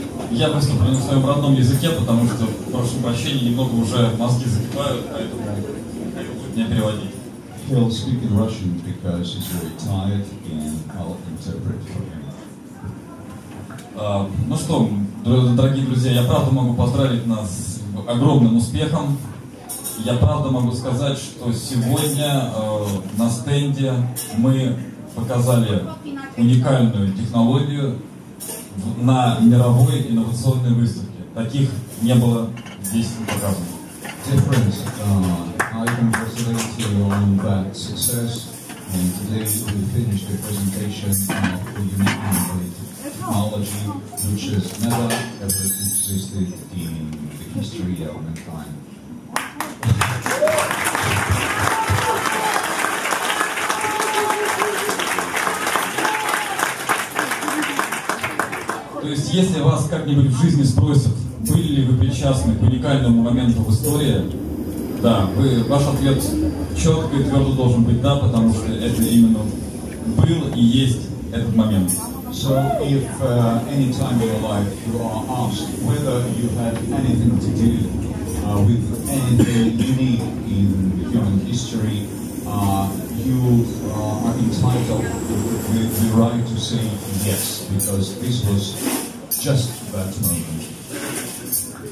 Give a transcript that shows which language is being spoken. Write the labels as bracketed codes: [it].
[ru] Я просто принес на обратном языке, потому что, прошу прощения, немного уже мозги закипают, поэтому будет мне переводить. [en] He'll speak in Russian because he's very tired and I'll interpret for him. [ru] Ну что, дорогие друзья, я правда могу поздравить нас с огромным успехом. Я правда могу сказать, что сегодня на стенде мы показали уникальную технологию на мировой инновационной выставке. Таких не было здесь показано. [en] Dear friends, I congratulate you on that success. And today we finished the presentation of the unique technology, which has never ever existed in the history of mankind. [ru] То есть, если вас как-нибудь в жизни спросят, были ли вы причастны к уникальному моменту в истории, да, ваш ответ четко и твердо должен быть «да», потому что это именно был и есть этот момент. [en] So, if any time in your life you are asked whether you had anything to do with anything unique in human history, you are entitled with the right to say yes, because this was just that moment.